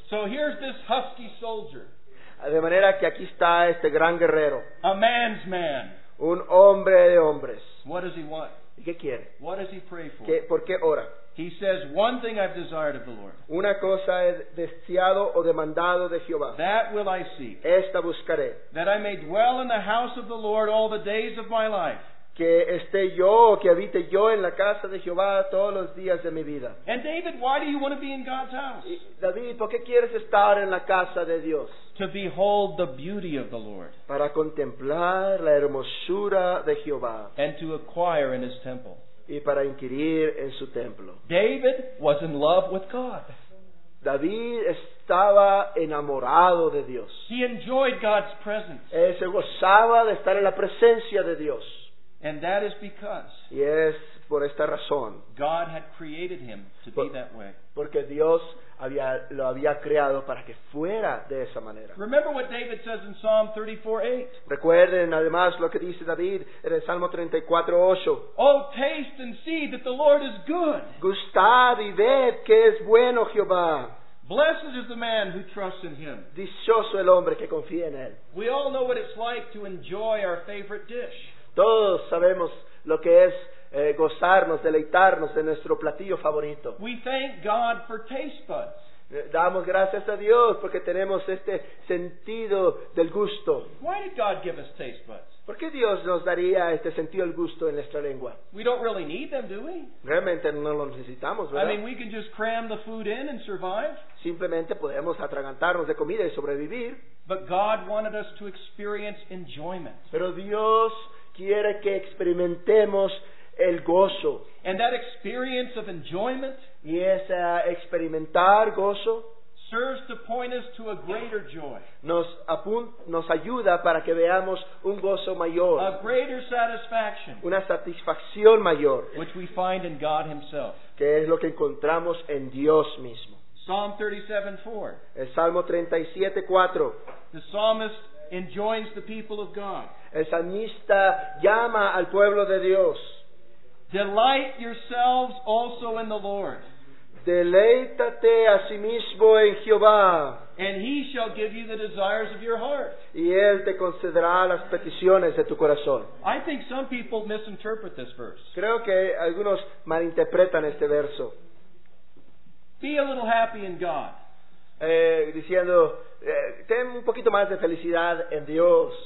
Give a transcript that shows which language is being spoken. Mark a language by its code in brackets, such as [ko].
[en] So here's this husky soldier. [es] De manera que aquí está este gran guerrero. [en] A man's man. [es] Un hombre de hombres. [en] What does he want? [es] ¿Qué quiere? [en] What does he pray for? [es] ¿Por qué ora? [en] He says, one thing I've desired of the Lord. [es] Una cosa he deseado o demandado de Jehová. [en] That will I seek. [es] Esta buscaré. [en] That I may dwell in the house of the Lord all the days of my life. [es] Que esté yo, que habite yo en la casa de Jehová todos los días de mi vida. [en] And David, why do you want to be in God's house? [es] David, ¿por qué quieres estar en la casa de Dios? [en] To behold the beauty of the Lord. [es] Para contemplar la hermosura de Jehová. [en] And to acquire in His temple. [es] Y para inquirir en su templo. [en] David was in love with God. [es] David estaba enamorado de Dios. [en] He enjoyed God's presence. [es] Él se gozaba de estar en la presencia de Dios. [en] And that is because [es] por esta razón, [en] God had created him to be that way. [es] Porque Dios lo había creado para que fuera de esa manera. [en] Remember what David says in Psalm 34:8. [es] Recuerden además lo que dice David en el Salmo 34:8. [en] Oh, taste and see that the Lord is good. [es] Gustad y ved que es bueno Jehová. [en] Blessed is the man who trusts in him. [es] Dichoso el hombre que confía en él. [en] We all know what it's like to enjoy our favorite dish. [es] Todos sabemos lo que es gozarnos, deleitarnos de nuestro platillo favorito. [en] We thank God for taste buds. [es] Damos gracias a Dios porque tenemos este sentido del gusto. [en] Why did God give us taste buds? [es] ¿Por qué Dios nos daría este sentido del gusto en nuestra lengua? [en] We don't really need them, do we? [es] Realmente no lo necesitamos, ¿verdad? [en] I mean, we can just cram the food in and survive. [es] Simplemente podemos atragantarnos de comida y sobrevivir. [en] But God wanted us to experience enjoyment. [es] Pero Dios quiere que experimentemos el gozo. [en] And that experience of enjoyment, [es] y ese experimentar gozo, [en] serves to point us to a greater joy. [es] Nos ayuda para que veamos un gozo mayor. [en] A greater satisfaction. [es] Una satisfacción mayor. [en] Which we find in God Himself. [es] Que es lo que encontramos en Dios mismo. [en] Psalm 37:4. [es] El Salmo 37:4. [en] The psalmist enjoins the people of God. [es] El salmista llama al pueblo de Dios. [en] Delight yourselves also in the Lord. [es] Deleítate a sí mismo en Jehová. [en] And he shall give you the desires of your heart. [es] Y él te concederá las peticiones de tu corazón. [en] I think some people misinterpret this verse. [es] Creo que algunos malinterpretan este verso. [en] Be a little happy in God. [es] Diciendo, ten un poquito más de felicidad en Dios.